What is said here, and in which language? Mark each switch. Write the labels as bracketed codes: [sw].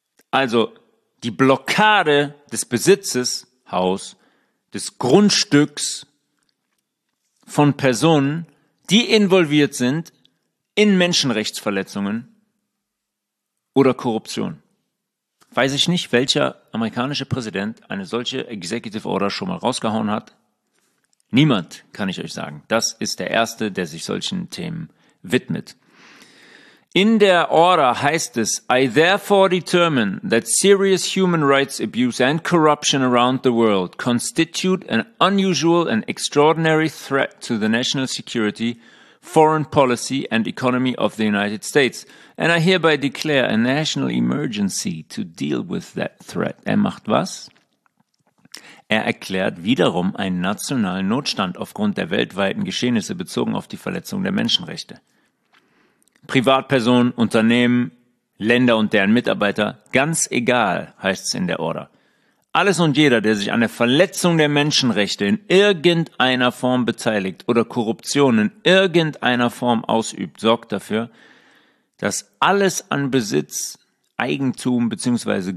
[de] Also die Blockade des Besitzes, Haus, des Grundstücks von Personen, die involviert sind in Menschenrechtsverletzungen oder Korruption. Weiß ich nicht, welcher amerikanische Präsident eine solche Executive Order schon mal rausgehauen hat. Niemand, kann ich euch sagen. Das ist der erste, der sich solchen Themen widmet. In der Order heißt es, [en] I therefore determine that serious human rights abuse and corruption around the world constitute an unusual and extraordinary threat to the national security, foreign policy and economy of the United States. And I hereby declare a national emergency to deal with that threat. [de] Er macht was? Er erklärt wiederum einen nationalen Notstand aufgrund der weltweiten Geschehnisse bezogen auf die Verletzung der Menschenrechte. Privatpersonen, Unternehmen, Länder und deren Mitarbeiter, ganz egal, heißt es in der Order. Alles und jeder, der sich an der Verletzung der Menschenrechte in irgendeiner Form beteiligt oder Korruption in irgendeiner Form ausübt, sorgt dafür, dass alles an Besitz, Eigentum bzw.